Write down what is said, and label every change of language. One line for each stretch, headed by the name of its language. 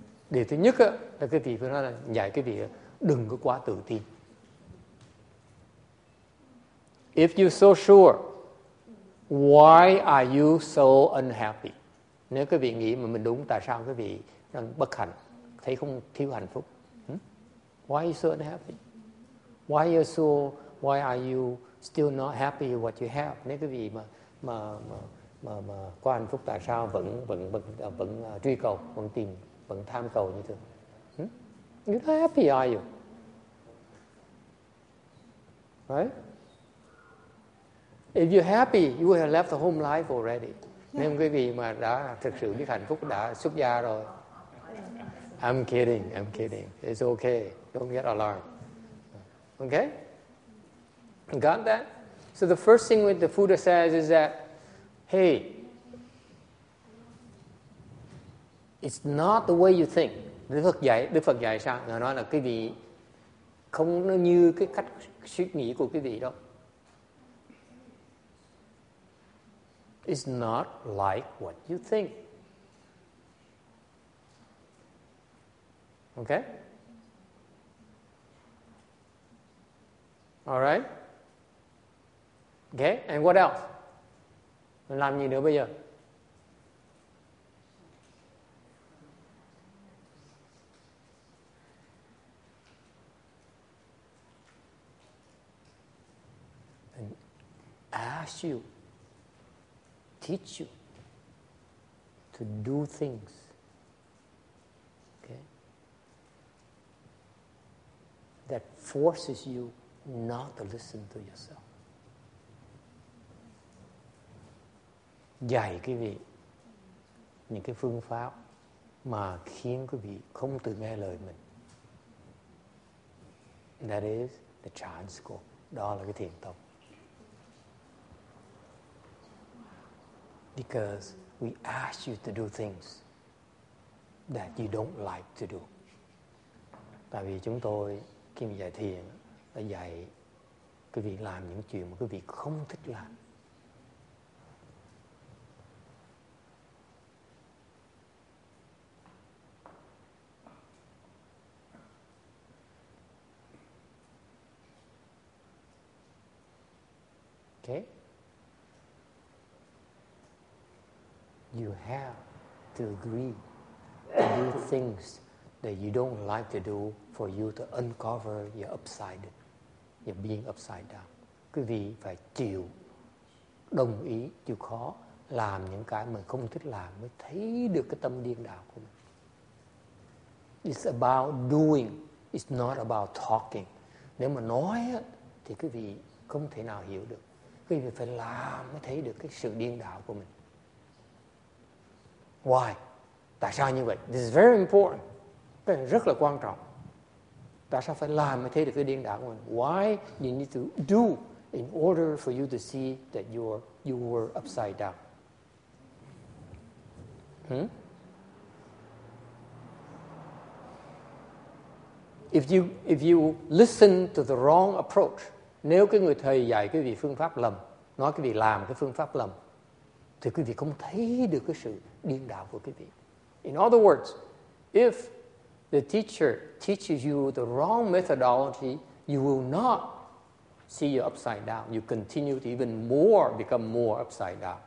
Vietnamese: Điều thứ nhất là cái vị phải nói là dạy cái vị đừng có quá tự tin.
English: If you're so sure, why are you so unhappy?
Vietnamese: Nếu cái vị nghĩ mà mình đúng, tại sao cái vị đang bất hạnh, thấy không thiếu hạnh phúc?
English: Why are you so unhappy? Why are you still not happy with what you have?
Vietnamese: Nếu cái vị mà có hạnh phúc, tại sao vẫn truy cầu, vẫn tìm, vẫn tham cầu như thường?
English: You're not happy, are you? Right? If you're happy, you would have left the home life already.
Vietnamese: Nếu quý vị mà đã thực sự biết hạnh phúc, đã xuất gia rồi.
English: I'm kidding. It's okay. Don't get alarmed. Okay? Got that? So the first thing with the Buddha says is that, hey, it's not the way you think.
Vietnamese: Đức Phật dạy sao? Ngài nói là cái vị không như cái cách suy nghĩ của cái vị đâu.
English: It's not like what you think. Okay? All right? Okay, and what else?
Vietnamese: Mình làm gì nữa bây giờ?
English: And ask you, teach you to do things. Okay? That forces you not to listen to yourself.
Vietnamese: Dạy quý vị những cái phương pháp mà khiến quý vị không tự nghe lời mình.
English: That is the chance school.
Vietnamese: Đó là cái thiền tông.
English: Because we ask you to do things that you don't like to do.
Vietnamese: Tại vì chúng tôi khi mình dạy thiền là dạy quý vị làm những chuyện mà quý vị không thích làm.
English: You have to agree to do things that you don't like to do for you to uncover your upside, your being upside down.
Vietnamese: Quý vị phải chịu, đồng ý, chịu khó làm những cái mình không thích làm mới thấy được cái tâm điên đảo của mình.
English: It's about doing, it's not about talking.
Vietnamese: Nếu mà nói thì quý vị không thể nào hiểu được. Quý vị phải làm mới thấy được cái sự điên đảo của mình.
English: Why?
Vietnamese: Tại sao như vậy?
English: This is very important.
Vietnamese: Cái này rất là quan trọng. Tại sao phải làm mới thấy được cái điên đảo của mình?
English: Why you need to do in order for you to see that you were upside down? If you listen to the wrong approach,
Vietnamese: nếu cái người thầy dạy cái vị phương pháp lầm, nói cái vị làm cái phương pháp lầm, thì quý vị không thấy được cái sự điên đảo của quý vị.
English: In other words, if the teacher teaches you the wrong methodology, you will not see you upside down. You continue to even more become more upside down.